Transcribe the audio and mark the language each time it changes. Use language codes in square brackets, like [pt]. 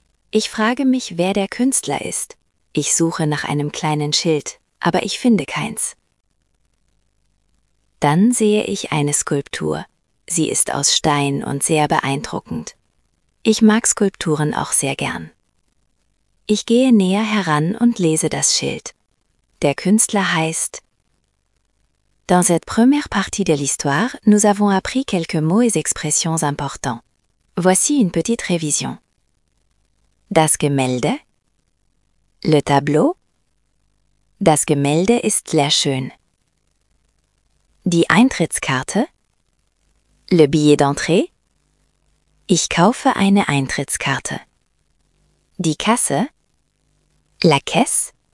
[de] Ich frage mich, wer der Künstler ist. Ich suche nach einem kleinen Schild, aber ich finde keins. Dann sehe ich eine Skulptur. Sie ist aus Stein und sehr beeindruckend. Ich mag Skulpturen auch sehr gern. Ich gehe näher heran und lese das Schild. Der Künstler heißt: [fr] "Dans cette première partie de l'histoire, nous avons appris quelques mots et expressions importants. Voici une petite révision. [de] Das Gemälde. [fr] Le tableau. [de] Das Gemälde ist sehr schön. Die Eintrittskarte. [fr] Le billet d'entrée. [de] Ich kaufe eine Eintrittskarte. Die Kasse. [fr] La caisse.